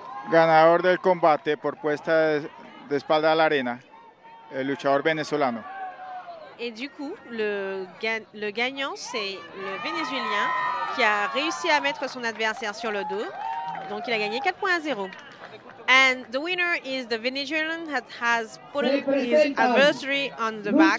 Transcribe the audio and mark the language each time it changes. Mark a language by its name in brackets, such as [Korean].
[Spanish] Ganador del combate por puesta de espalda a la arena, el luchador venezolano. [French] Et du coup, le gagnant, c'est le Vénézuélien qui a réussi à mettre son adversaire sur le dos. Donc, il a gagné 4-0. [English] And the winner is the Venezuelan that has put his adversary on the back.